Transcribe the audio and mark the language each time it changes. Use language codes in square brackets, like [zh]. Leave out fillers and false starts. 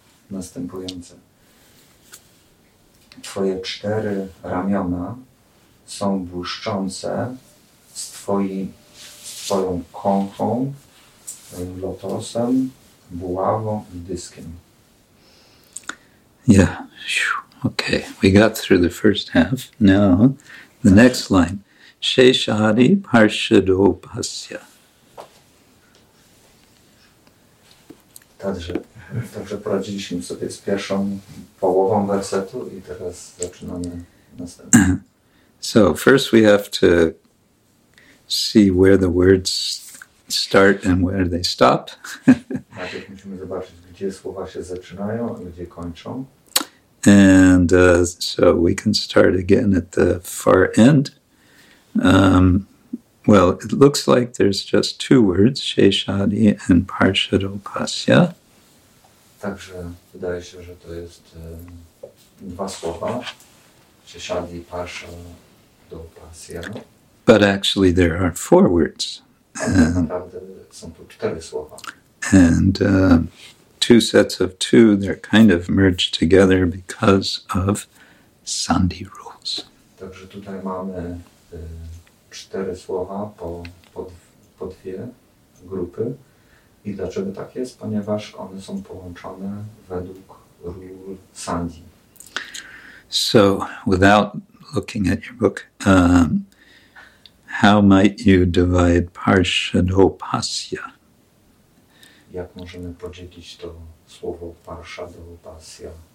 [pl] Następujące. Twoje cztery ramiona są błyszczące z twoją konchą, lotosem, buławą i dyskiem. Yeah. [en] Okay, we got through the first half. Now, the next line. Sheshadi parshadopasya. [pl] Także poradziliśmy sobie z pierwszą połową wersetu i teraz zaczynamy następny. [en] So, first we have to see where the words start and where they stop. [pl] Najpierw musimy zobaczyć, gdzie słowa się zaczynają i gdzie kończą. [en] And so we can start again at the far end. Well, it looks like there's just two words, Sheshadi and Parshadopasya. [pl] Także wydaje się, że to jest dwa słowa, Sheshadi, Parshadopasya. [en] But actually there are four words. [pl] Są tu cztery słowa. [en] And two sets of two, they're kind of merged together because of sandhi rules. [pl] Także tutaj mamy cztery słowa po dwie grupy. I dlaczego tak jest? Ponieważ one są połączone według ról sandhi. [en] So, without looking at your book, how might you divide parshadopasya? [pl] Jak możemy podzielić to słowo parshadopasya?